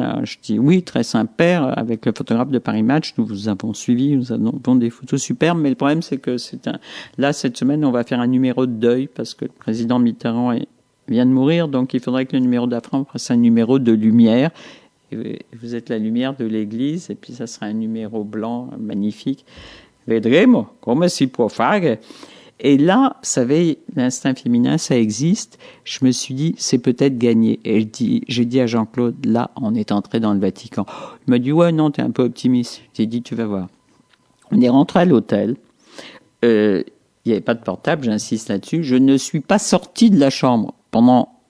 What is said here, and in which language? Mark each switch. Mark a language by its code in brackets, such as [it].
[fr] Alors je dis, oui, très Saint-Père, avec le photographe de Paris Match, nous vous avons suivi, nous avons des photos superbes, mais le problème c'est que cette semaine, on va faire un numéro de deuil, parce que le président Mitterrand vient de mourir, donc il faudrait que le numéro de la France fasse un numéro de lumière. Vous êtes la lumière de l'Église, et puis ça sera un numéro blanc magnifique. [it] Vedremo, come si può fare. [fr] Et là, vous savez, l'instinct féminin, ça existe. Je me suis dit, c'est peut-être gagné. Et j'ai dit à Jean-Claude, là, on est entré dans le Vatican. Il m'a dit, ouais, non, t'es un peu optimiste. J'ai dit, tu vas voir. On est rentré à l'hôtel. Il n'y avait pas de portable, j'insiste là-dessus. Je ne suis pas sorti de la chambre pendant.